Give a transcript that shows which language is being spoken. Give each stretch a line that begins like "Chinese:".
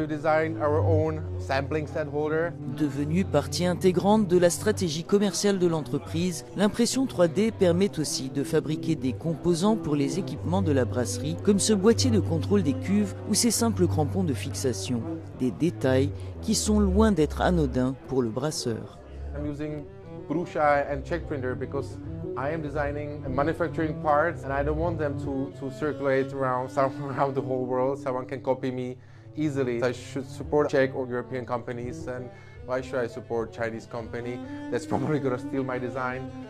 English: We designed our own sampling set holder.
French: Devenue partie intégrante de la stratégie commerciale de l'entreprise, l'impression 3D permet aussi de fabriquer des composants pour les équipements de la brasserie, comme ce boîtier de contrôle des cuves ou ces simples crampons de fixation. Des détails qui sont loin d'être anodins pour le brasseur.
English: I'm using Pruša and Czech printer because I am designing and manufacturing parts and I don't want them to circulate around the whole world. Someone can copy me easily. I should support Czech or European companies, and why should I support Chinese company that's probably going to steal my design?